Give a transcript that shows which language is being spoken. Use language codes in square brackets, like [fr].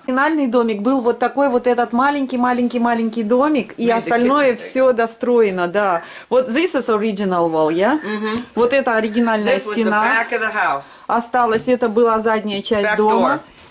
[ru] Финальный домик был вот такой вот этот маленький домик. И остальное все достроено, да. [en] Вот this is original wall, yeah? [ru] Вот это оригинальная стена. Осталось, это была задняя часть дома.